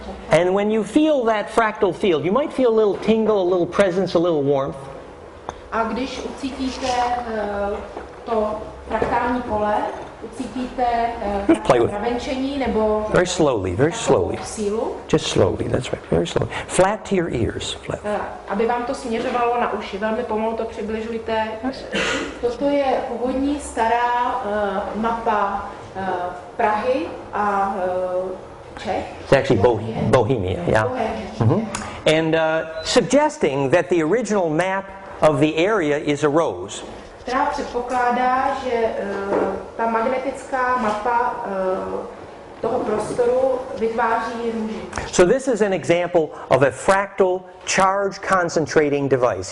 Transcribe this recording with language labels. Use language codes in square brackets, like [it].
[en] And when you feel that fractal field, you might feel a little tingle, a little presence, a little warmth. [cs] A když ucítíte to fraktální pole, ucítíte pravenčení nebo [en] very slowly, very slowly. Just slowly, that's right. Very slowly. Flat to your ears, flat. [cs] Aby vám to směřovalo na uši, velmi pomalu to přibližujte. Toto je původní stará mapa Prahy a Czech. [en] It's actually Bohemia, yeah. Mm-hmm. And suggesting that the original map of the area is a rose. [cs] Která předpokládá, že ta magnetická mapa toho prostoru vytváří růži. [en] So this is an example of a fractal charge concentrating device.